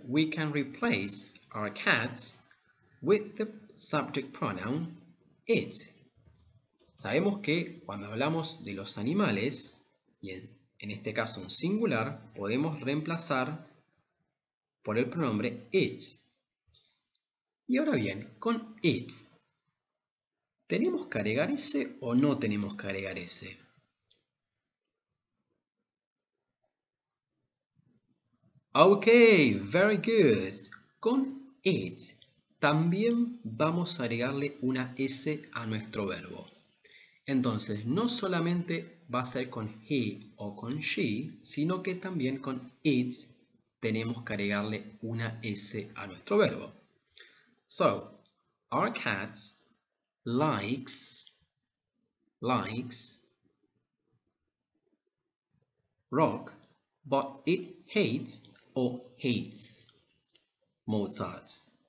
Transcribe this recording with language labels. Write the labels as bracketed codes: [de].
[en] We can replace our cat with the subject pronoun it. [es] Sabemos que cuando hablamos de los animales, y en este caso un singular, podemos reemplazar por el pronombre it. Y ahora bien, con it, ¿Tenemos que agregar ese o no tenemos que agregar ese? [en] Ok, very good. [es] Con it también vamos a agregarle una S a nuestro verbo. Entonces, no solamente va a ser con he o con she, sino que también con it tenemos que agregarle una S a nuestro verbo. [en] So, our cat likes rock, but it hates or hates Mozart.